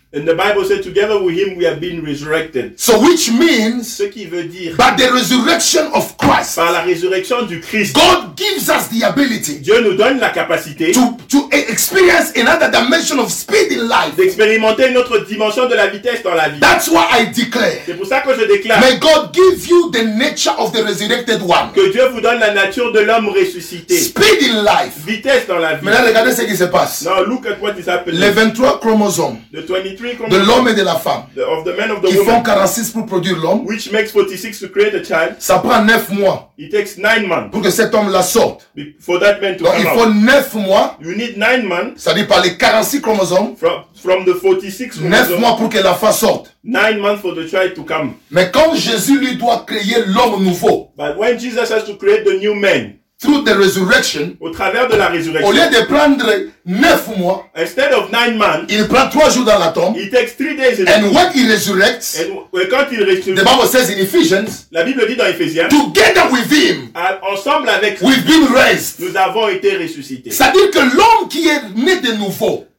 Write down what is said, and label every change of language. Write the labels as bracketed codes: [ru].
[en] And the Bible says, together with him we have been resurrected. So which means, [fr] ce qui veut dire, [en] by the resurrection of Christ, [fr] par la résurrection du Christ, [en] God gives us the ability, [fr] Dieu nous donne la capacité, [en] to experience another dimension of speed in life, [fr] d'expérimenter une autre dimension de la vitesse dans la vie. [en] That's why I declare, [fr] c'est pour ça que je déclare, [en] may God give you the nature of the resurrected one, [fr] que Dieu vous donne la nature de l'homme ressuscité, [en] speed in life, [fr] vitesse dans la vie. Maintenant regardez ce qui se passe. [en] Now look at what is happening. [fr] Les 23 chromosomes, [en] the 23 [fr] de l'homme et de la femme qui font 46 pour produire l'homme, [en] which makes 46 to create a child, [fr] ça prend 9 mois. [en] It takes 9 months [fr] pour que cet homme la sorte. [en] For that man to [fr] donc [en] come [fr] il faut 9 mois, [en] you need 9 months, [fr] ça dit par les 46 chromosomes, [en] from the 46 chromosomes, [fr] 9 mois pour que la femme sorte. [en] 9 months for the child to come. [fr] Mais quand Jésus lui doit créer l'homme nouveau, [en] but when Jesus has to create the new man, through the resurrection, [fr] au travers de la résurrection, au lieu de prendre 9 mois, [en] instead of 9 months, [fr] il prend 3 jours dans la tombe, [en] it takes 3 days in the tomb, and when he resurrects, [fr] et quand il résurrecte, [en] the Bible says in Ephesians, [fr] la Bible dit dans Ephésiens, [en] together with him, [fr] ensemble avec [en] lui, we've been raised, [fr] nous avons été ressuscités. Ça dit que l'homme qui est né de nouveau,